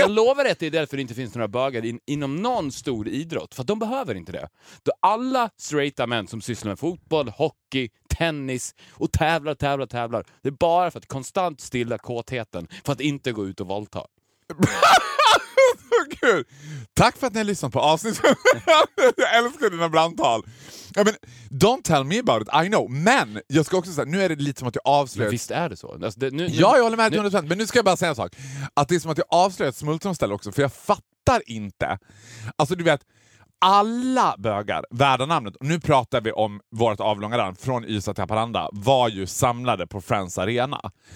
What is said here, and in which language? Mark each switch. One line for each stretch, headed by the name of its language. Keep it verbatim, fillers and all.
Swedish: Jag lovar att det är därför det inte finns några bögar in, inom någon stor idrott. För att de behöver inte det. Då alla straighta män som sysslar med fotboll, hockey, tennis och tävlar, tävlar, tävlar. Det är bara för att konstant stilla kåtheten, för att inte gå ut och våldta. Kul. Tack för att ni har lyssnat på avsnitt. Jag älskar dina brandtal.
English: I mean, don't tell me about it, I know.
Swedish: Men jag ska också säga, nu är det lite som att jag avslöjar... Men visst är det så? Alltså, det, nu, ja, jag håller med hundra procent. Men nu ska jag bara säga en sak. Att det är som att jag avslöjar ett smultronställe också. För jag fattar inte. Alltså du vet... Alla bögar, värda namnet, och nu pratar vi om vårt avlånga land från Ystad till Haparanda, var ju samlade på Friends Arena.